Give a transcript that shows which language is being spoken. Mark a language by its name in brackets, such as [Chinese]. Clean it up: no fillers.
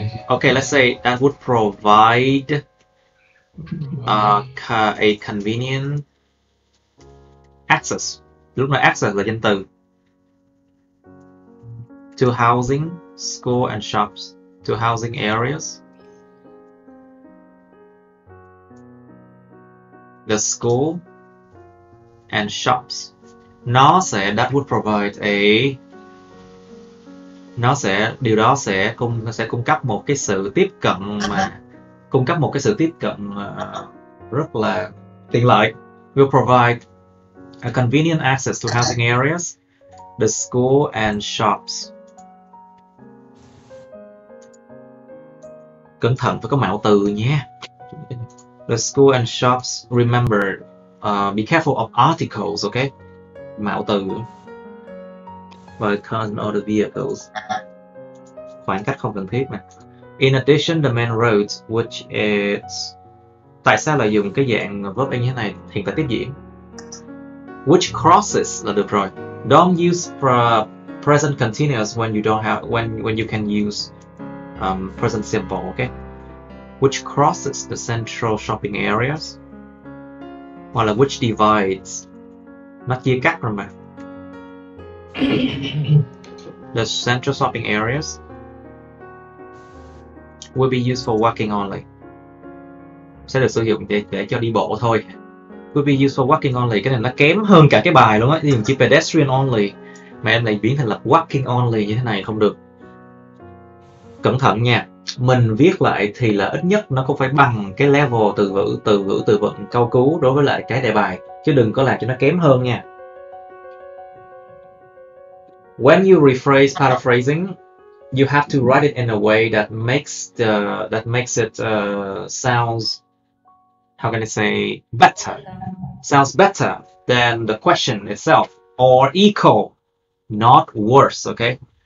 [English] Okay, let's say that would provide a convenient access. [Vietnamese] Lúc này access là danh từ. [English] To housing, school and shops. To housing areas. The school and shops. [Vietnamese] Nó sẽ, [English] that would provide a, [Vietnamese] nó sẽ, điều đó sẽ cung, sẽ cung cấp một cái sự tiếp cận mà, cung cấp một cái sự tiếp cận rất là tiện lợi. [English] Will provide a convenient access to housing areas, the school and shops. [Vietnamese] Cẩn thận phải có mạo từ nhé. [English] The school and shops, remember, be careful of articles, okay? [Vietnamese] Mạo từ. [English] By cars and other vehicles. [Vietnamese] Khoảng cách không cần thiết mà. [English] In addition, the main roads, which is... [Vietnamese] Tại sao lại dùng cái dạng verb như thế này? Hiện tại tiếp diễn. [English] Which crosses [Vietnamese] là được rồi. [English] Don't use present continuous when you don't have, when you can use present simple, okay? Which crosses the central shopping areas? [Vietnamese] Hoặc là [English] which divides? [Vietnamese] Nó chia cắt rồi mà. [English] The central shopping areas will be used for walking only. [Vietnamese] Sẽ được sử dụng để cho đi bộ thôi. [English] Will be used for walking only. [Vietnamese] Cái này nó kém hơn cả cái bài luôn á. Dùng chữ pedestrian only mà em lại biến thành là walking only như thế này không được. Cẩn thận nha. Mình viết lại thì là ít nhất nó cũng phải bằng cái level từ vựng từ vựng câu cú đối với lại cái đề bài, chứ đừng có làm cho nó kém hơn nha. [English] When you rephrase paraphrasing, you have to write it in a way that makes the that makes it sounds, how can I say, better. Sounds better than the question itself, or equal, not worse, okay?